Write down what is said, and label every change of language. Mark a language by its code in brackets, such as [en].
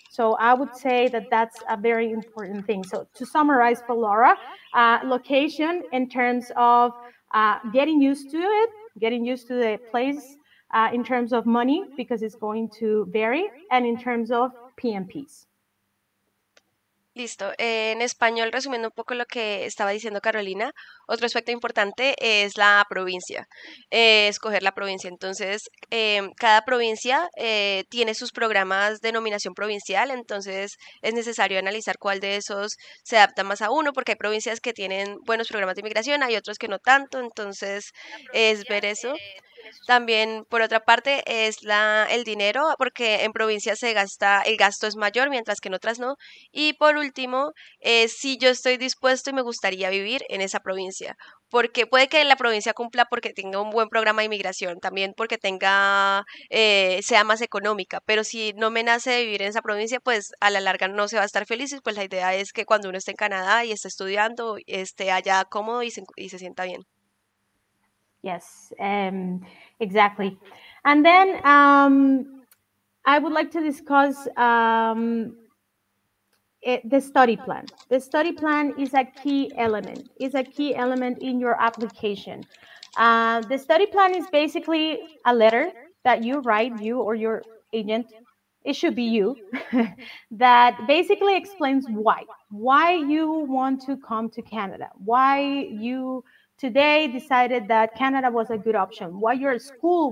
[en] So I would say that that's a very important thing. So to summarize for Laura, location in terms of getting used to it, getting used to the place in terms of money, because it's going to vary, and in terms of PMPs. [es] Listo. En español, resumiendo un poco lo que estaba diciendo Carolina, otro aspecto importante es la provincia, escoger la provincia. Entonces, cada provincia tiene sus programas de nominación provincial, entonces es necesario analizar cuál de esos se adapta más a uno, porque hay provincias que tienen buenos programas de inmigración, hay otros que no tanto, entonces es ver eso. También, por otra parte, es el dinero, porque en provincias se gasta, el gasto es mayor, mientras que en otras no. Y por último, si yo estoy dispuesto y me gustaría vivir en esa provincia. Porque puede que la provincia cumpla porque tenga un buen programa de inmigración, también porque tenga sea más económica, pero si no me nace vivir en esa provincia, pues a la larga no se va a estar feliz. Pues la idea es que cuando uno esté en Canadá y esté estudiando, esté allá cómodo y se sienta bien. [en] Yes, exactly. And then I would like to discuss the study plan. The study plan is a key element. It's a key element in your application. The study plan is basically a letter that you write, you or your agent, it should be you, that basically explains why you want to come to Canada, why you today decided that Canada was a good option. Why your school?